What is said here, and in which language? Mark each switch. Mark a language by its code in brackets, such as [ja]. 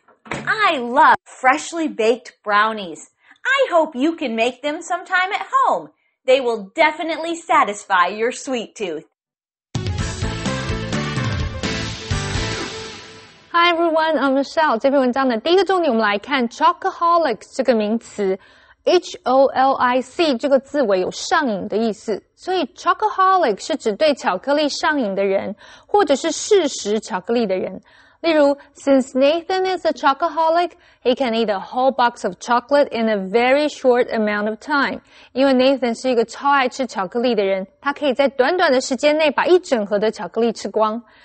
[en] I love freshly baked brownies. I hope you can make them sometime at home. They will definitely satisfy your sweet tooth. Hi everyone, I'm Michelle. [zh] 这篇文章的第一个重点我们来看 chocoholic 这个名词。 H-O-L-I-C 这个字尾有上瘾的意思。所以 chocoholic 是指对巧克力上瘾的人或者是嗜食巧克力的人。例如 [en] ,since Nathan is a chocoholic, he can eat a whole box of chocolate in a very short amount of time. [zh] 因为 Nathan 是一个超爱吃巧克力的人，他可以在短短的时间内把一整盒的巧克力吃光。